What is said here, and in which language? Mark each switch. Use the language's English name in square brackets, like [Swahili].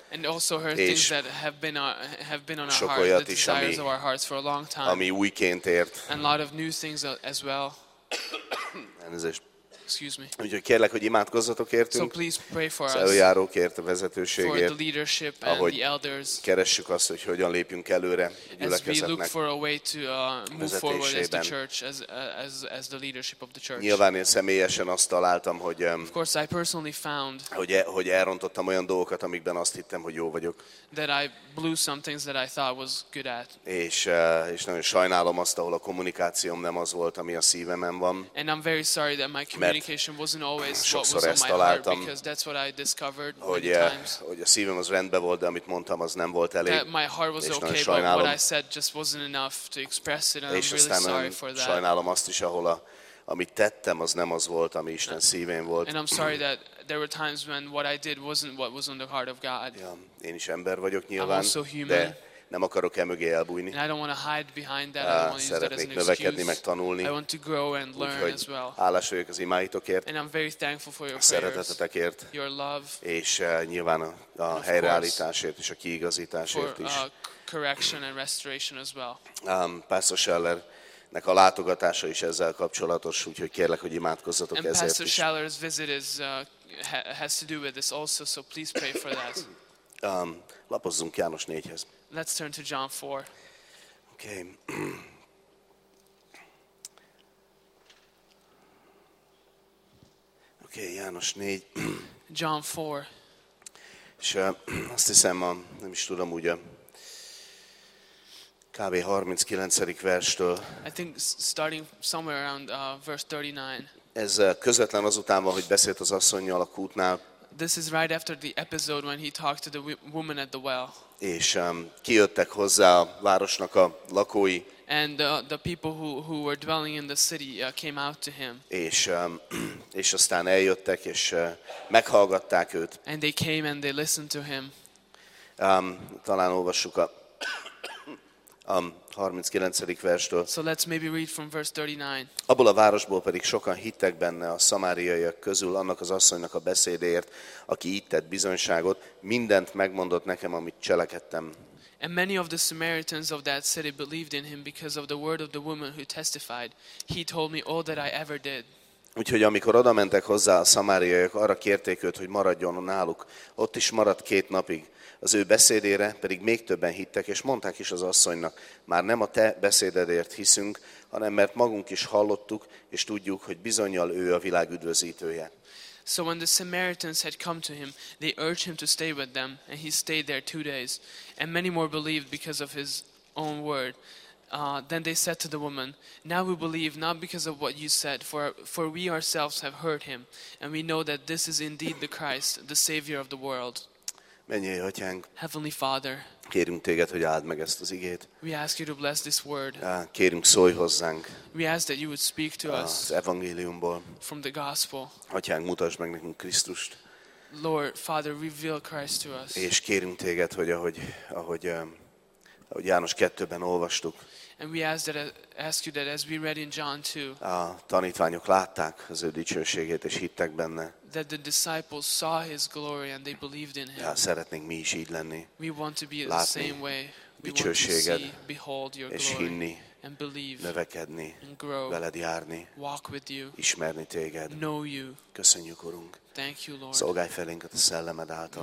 [English] and also heard things that have been on our heart, the desires of our hearts for a long time, [Hungarian] ami újként ért, [English] and a lot of new things as well. Excuse me. [Hungarian] Úgyhogy kérlek, hogy imádkozzatok értünk. [English] So please pray for us. [Hungarian] Az előjárókért, a vezetőségért. [English] For the leadership and the elders. [Hungarian] Keressük azt, hogy hogyan lépjünk előre gyülekezetnek. [English] As we look for a way to move forward as the church, as the leadership of the church. [Hungarian] Nyilván én személyesen azt találtam, hogy [English] of course I personally found [Hungarian] hogy elrontottam olyan dolgokat, amikben azt hittem, hogy jó vagyok. [English] That I blew some things that I thought was good at. [Hungarian] És nagyon sajnálom azt, ahol a kommunikációm nem az volt, ami a szívemen van. [English] And I'm very sorry that my communication wasn't always what was on my heart, [Hungarian] találtam, [English] because that's what I discovered [Hungarian] hogy, [English] many times. [Hungarian] Hogy a szívem az rendben volt, de amit mondtam, az nem volt elég. [English] That my heart was okay, [Hungarian] sajnálom, [English] but what I said just wasn't enough to express it, and I'm really [Hungarian] aztán [English] sorry for that. [Hungarian] Sajnálom azt is, ahol amit tettem, az nem az volt, ami Isten szívén volt. [English] And I'm sorry that there were times when what I did wasn't what was on the heart of God. [Hungarian] Ja, én is ember vagyok nyilván, de nem akarok emögé elbújni. [English] And I don't want to hide behind that. [Hungarian] Szeretnék növekedni, meg tanulni. [English] I want to grow and learn [Hungarian] úgyhogy [English] as well. [Hungarian] Hálás vagyok az imáitokért. [English] And I'm very thankful for your prayers. [Hungarian] Szeretetetekért. [English] Your love. [Hungarian] És nyilván a helyreállításért és a kiigazításért [English] for, [Hungarian] is. [English] Correction and restoration as well. [Hungarian] Pastor Scheller. Nek a látogatása is ezzel kapcsolatos, úgyhogy kérlek, hogy imádkozzatok [English] and [Hungarian] ezért [English] Pastor [Hungarian] is. [English] And Pastor Scheller's visit is has to do with this also, so please pray for that. [Hungarian] Lapozzunk János 4-hez. [English] Let's turn to John 4. Okay. [Hungarian] Okay, János 4. [English] John 4. [Hungarian] És azt hiszem, nem is tudom, ugye, Kb. 39. verstől. [English] I think starting somewhere around verse 39. [Hungarian] Ez közvetlen azután van, hogy beszélt az asszonnyal a kútnál. [English] This is right after the episode when he talked to the woman at the well. [Hungarian] És kijöttek hozzá a városnak a lakói. [English] And the people who were dwelling in the city came out to him. [Hungarian] És aztán eljöttek és meghallgatták őt. [English] And they came and they listened to him. [Hungarian] Talán olvassuk a 39. verstől. [English] So let's maybe read from verse 39. [Hungarian] Abból a városból pedig sokan hittek benne a szamáriaiak közül annak az asszonynak a beszédéért, aki itt tett bizonyságot, mindent megmondott nekem, amit cselekedtem. [English] And many of the Samaritans of that city believed in him because of the word of the woman who testified. He told me all that I ever did. [Hungarian] Úgyhogy amikor oda mentek hozzá a szamáriaiak, arra kérték őt, hogy maradjon náluk. Ott is maradt két napig. Az ő beszédére pedig még többen hittek, és mondták is az asszonynak, már nem a te beszédedért hiszünk, hanem mert magunk is hallottuk, és tudjuk, hogy bizonnyal ő a világ üdvözítője. [English] So when the Samaritans had come to him, they urged him to stay with them, and he stayed there 2 days. And many more believed because of his own word. Then they said to the woman, now we believe not because of what you said, for we ourselves have heard him, and we know that this is indeed the Christ, the Savior of the world. [Hungarian] Mennyei Atyánk, [English] Heavenly Father, [Hungarian] kérünk téged, hogy áld meg ezt az igét. [English] We ask you to bless this word. [Hungarian] Kérünk, szólj hozzánk. [English] We ask that you would speak to us. [Hungarian] Az evangéliumból. [English] From the gospel. [Hungarian] Atyánk, mutasd meg nekünk Krisztust. [English] Lord, Father, reveal Christ to us. [Hungarian] És kérünk téged, hogy ahogy János 2-ben olvastuk. [English] And we ask you that as we read in John 2. [Hungarian] A tanítványok látták az ő dicsőségét és hittek benne. [English] That the disciples saw his glory and they believed in him. [Hungarian] Ja, szeretnénk mi is így lenni. [English] We want to be the same way. [Hungarian] Dicsőséged, [English] behold your [Hungarian] és [English] glory. [Hungarian] Hinni, [English] and believe. [Hungarian] Növekedni, [English] and grow. [Hungarian] Veled járni. [English] Walk with you. [Hungarian] Ismerni téged. [English] Know you. [Hungarian] Köszönjük, Urunk. [English] Thank you, Lord. [Hungarian] Szolgálj felénk a te szellemed által.